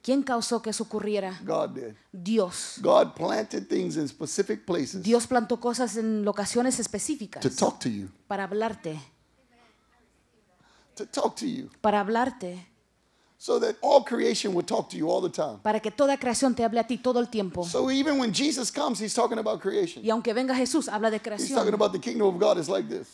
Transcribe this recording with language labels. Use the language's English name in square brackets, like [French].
[Spanish] ¿Quién causó que eso ocurriera? [English] God did. [Spanish] Dios. [English] God planted things in specific places. [Spanish] Dios plantó cosas en locaciones específicas. [English] To talk to you. [Spanish] Para hablarte. [English] To talk to you. [Spanish] Para hablarte. [English] So that all creation would talk to you all the time. [Spanish] Para que toda creación te hable a ti todo el tiempo. [English] So even when Jesus comes, he's talking about creation. [Spanish] Y aunque venga Jesús, habla de creación. [English] He's talking about the kingdom of God is like this.